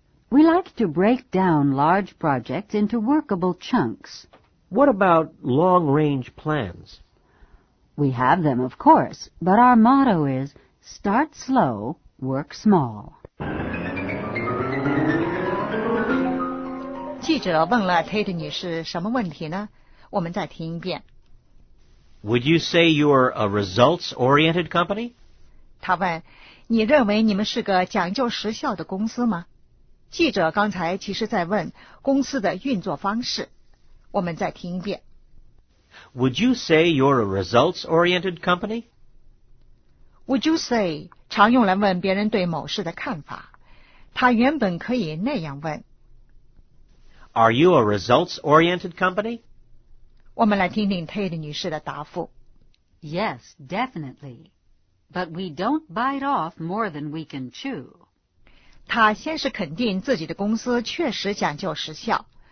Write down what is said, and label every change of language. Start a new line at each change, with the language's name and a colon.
English: We like to break down large projects into workable chunks. What about long-range plans? We have them, of course, but our motto is, start slow, work small.
Chinese: 记者问了 Tate 女士什么问题呢？我们再听一遍。
English: Would you say you're a results-oriented company?
Chinese: 她问，你认为你们是个讲究时效的公司吗？记者刚才其实在问公司的运作方式。我们再听一遍。
English: Would you say you're a results-oriented company? Would you say
Chinese: 常用来问别人对某事的看法。她原本可以那样问。
English: Are you a results-oriented company?
Chinese: 我们来听听 Tate 女士的答复。
English: Yes, definitely. But we don't bite off more than we can chew.
Chinese: 她先是肯定自己的公司确实讲究时效。